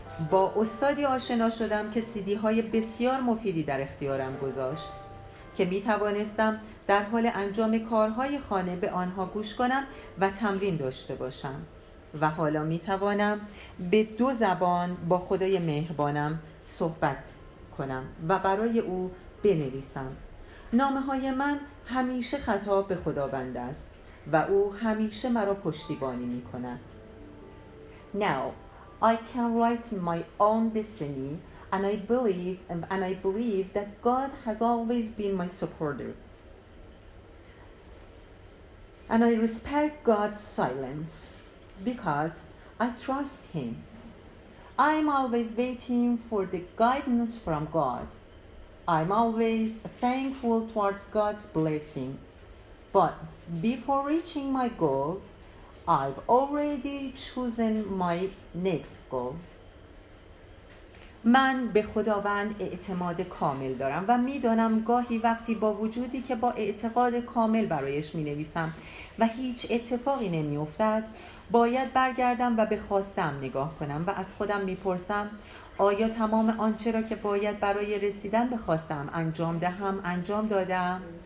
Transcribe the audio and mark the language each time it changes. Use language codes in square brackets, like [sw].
[fa] با استادی آشنا شدم که سیدی های بسیار مفیدی در اختیارم گذاشت که می توانستم در حال انجام کارهای خانه به آنها گوش کنم و تمرین داشته باشم، و حالا می توانم به 2 زبان با خدای مهربانم صحبت کنم و برای او بنویسم. نامه های من همیشه خطاب به خداوند است و او همیشه مرا پشتیبانی می کند. [en] Now I can write my own destiny and I believe that God has always been my supporter. And I respect God's silence because I trust Him. I'm always waiting for the guidance from God. I'm always thankful towards God's blessing. But before reaching my goal, I've already chosen my next goal. [fa] من به خداوند اعتماد کامل دارم و می دانم گاهی وقتی با وجودی که با اعتقاد کامل برایش می نویسم و هیچ اتفاقی نمی افتد، باید برگردم و به خواستم نگاه کنم و از خودم می پرسم آیا تمام آنچه را که باید برای رسیدن به خواستم انجام دهم انجام دادم؟